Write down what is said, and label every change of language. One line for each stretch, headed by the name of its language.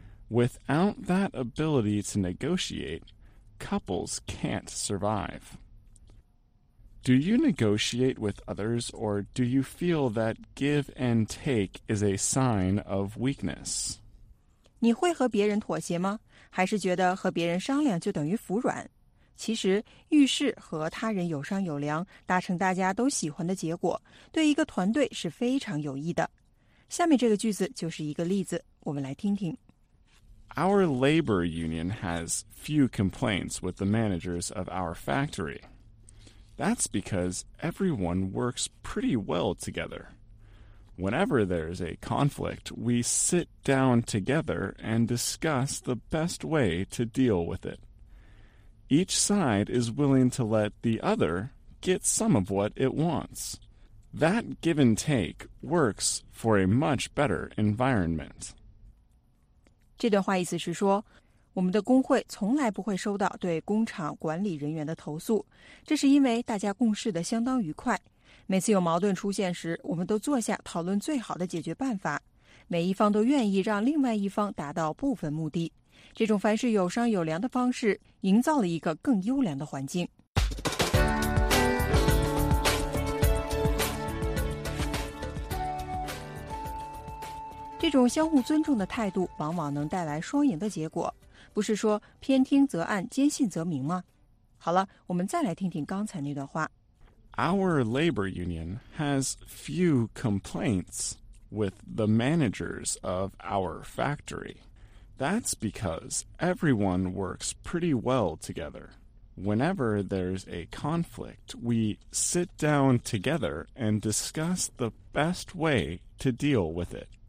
English: Without that ability to negotiate, couples can't survive. Do you negotiate with others, or do you feel that give and take is a sign of weakness?
Chinese: 你会和别人妥协吗？还是觉得和别人商量就等于服软？其实，遇事和他人有商有量，达成大家都喜欢的结果，对一个团队是非常有益的。下面这个句子就是一个例子，我们来听听。
English: Our labor union has few complaints with the managers of our factory. That's because everyone works pretty well together. Whenever there's a conflict, we sit down together and discuss the best way to deal with it. Each side is willing to let the other get some of what it wants. That give and take works for a much better environment.
Chinese: 这段话意思是说我们的工会从来不会收到对工厂管理人员的投诉，这是因为大家共事得相当愉快。每次有矛盾出现时，我们都坐下讨论最好的解决办法，每一方都愿意让另外一方达到部分目的。这种凡事有商有量的方式，营造了一个更优良的环境。这种相互尊重的态度，往往能带来双赢的结果。不是说偏听则暗，坚信则明吗？好了，我们再来听听刚才那段话。
English: Our labor union has few complaints with the managers of our factory. That's because everyone works pretty well together. Whenever there's a conflict, we sit down together and discuss the best way to deal with it.